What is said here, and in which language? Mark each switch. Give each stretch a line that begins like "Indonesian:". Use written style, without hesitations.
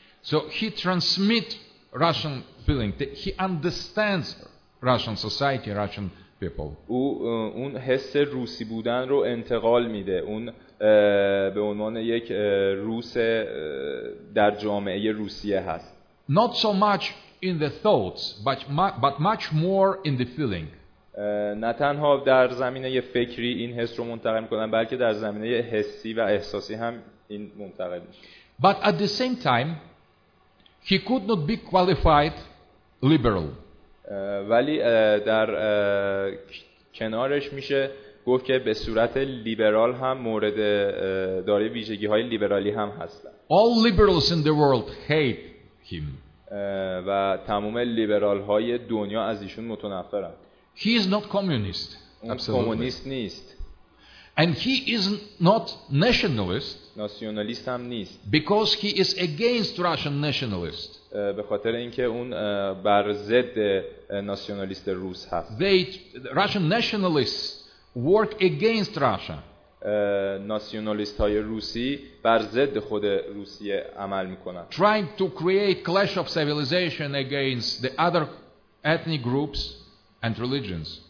English: So he transmits Russian feeling. He understands Russian society, Russian people.
Persian: او اون حس روسی بودن رو انتقال میده. اون به عنوان یک روس در جامعه روسیه هست.
English: Not so much in the thoughts, but much more in the feeling.
Persian: نه تنها در زمینه فکری این حس رو منتقل می‌کنن، بلکه در زمینه حسی و احساسی هم این منتقل میشه.
English: But at the same time, he could not be qualified liberal.
Persian: ولی در کنارش میشه گفت که به صورت لیبرال هم مورد داره ویژگی‌های لیبرالی هم هستن.
English: All liberals in the world hate him.
Persian: و تمام لیبرال‌های دنیا از ایشون متنفرن.
English: He is not communist. Absolutely.
Persian: کمونیست نیست.
English: And he is not nationalist.
Persian: ناسیونالیست هم نیست.
English: Because he is against Russian nationalist.
Persian: به خاطر اینکه اون بر ضد ناسیونالیست روس هست.
English: Russian nationalists work against Russia.
Persian: ناسیونالیست های روسی بر ضد خود روسیه عمل میکنن.
English: Trying to create clash of civilization against the other ethnic groups and religions.